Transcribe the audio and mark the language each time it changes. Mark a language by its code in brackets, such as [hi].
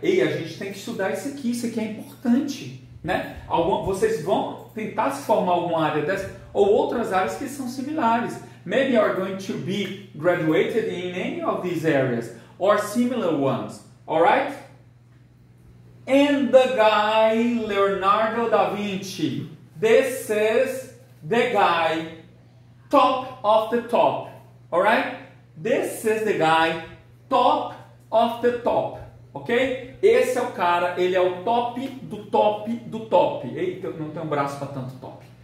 [pt] E a gente tem que estudar isso aqui é importante, né? Vocês vão tentar se formar alguma área dessa ou outras áreas que são similares. [en] Maybe you are going to be graduated in any of these areas or similar ones, alright? And the guy Leonardo da Vinci. This is the guy top of the top, alright? This is the guy top of the top, ok? [pt] Esse é o cara, ele é o top do top do top. Eita, não tenho um braço para tanto top.